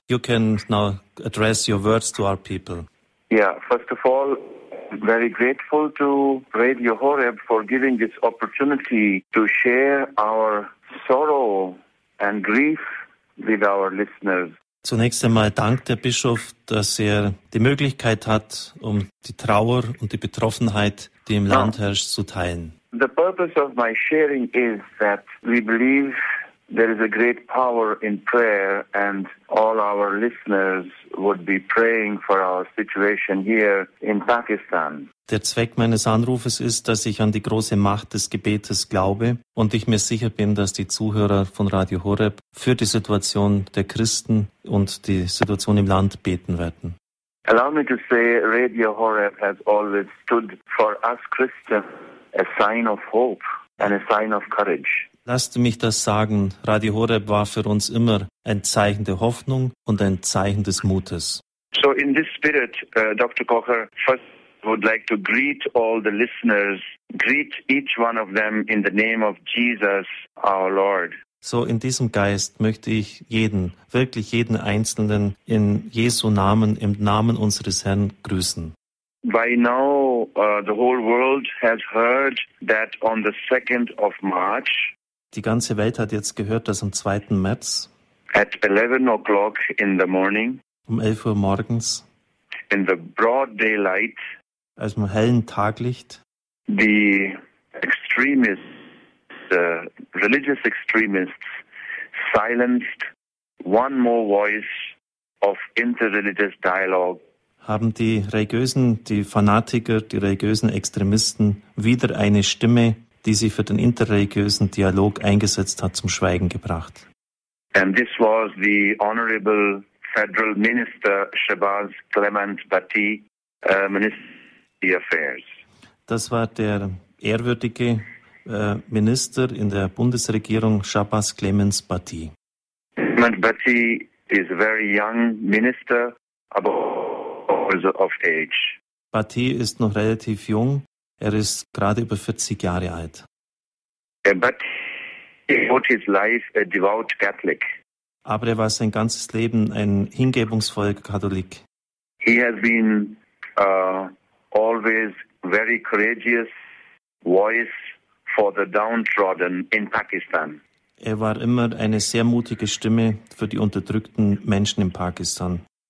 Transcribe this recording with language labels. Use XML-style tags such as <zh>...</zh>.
<en>You can now address your words to our people. Yeah, first of all, very grateful to Radio Horeb for giving this opportunity to share our sorrow and grief with our listeners.</en> <de>Zunächst einmal dankt der Bischof, dass er die Möglichkeit hat, um die Trauer und die Betroffenheit, die im Land herrscht, zu teilen.</de> <en>The purpose of my sharing is that we believe there is a great power in prayer and all our listeners would be praying for our situation here in Pakistan.</en> <de>Der Zweck meines Anrufes ist, dass ich an die große Macht des Gebetes glaube und ich mir sicher bin, dass die Zuhörer von Radio Horeb für die Situation der Christen und die Situation im Land beten werden.</de> <en>Allow me to say Radio Horeb has always stood for us Christians a sign of hope and a sign of courage.</en> <de>Lasst mich das sagen, Radio Horeb war für uns immer ein Zeichen der Hoffnung und ein Zeichen des Mutes.</de> <en>So in this spirit, Dr. Kocher, first would like to greet all the listeners, greet each one of them in the name of Jesus, our Lord.</en> <de>So in diesem Geist möchte ich jeden, wirklich jeden Einzelnen in Jesu Namen, im Namen unseres Herrn grüßen.</de> <en>By now, the whole world has heard that on the 2nd of March,</en> <de>die ganze Welt hat jetzt gehört, dass am 2. März</de> <en>at 11 o'clock in the morning,</en> <de>um 11 Uhr morgens,</de> <en>in the broad daylight,</en> <de>also im hellen Taglicht,</de> <en>the extremists, the religious extremists, silenced one more voice of interreligious dialogue.</en> <de>Haben die Religiösen, die Fanatiker, die religiösen Extremisten wieder eine Stimme, die sie für den interreligiösen Dialog eingesetzt hat, zum Schweigen gebracht.</de> <en>And this was the Honorable Federal Minister Shabazz Clement Bhatti, Minister of Affairs.</en> <de>Das war der ehrwürdige Minister in der Bundesregierung, Shabazz Clement Bhatti.</de> <en>Clement Bhatti is a very young minister, aber of age.</en> <de>Bhatti ist noch relativ jung. Er ist gerade über 40 Jahre alt.</de> <en>Bhatti wrote his life a devout Catholic.</en> <de>Aber er war sein ganzes Leben ein hingebungsvoller Katholik.</de> <en>He has been always very courageous voice for the downtrodden in Pakistan.</en> <de>Er war immer eine sehr mutige Stimme für die unterdrückten Menschen in Pakistan.</de>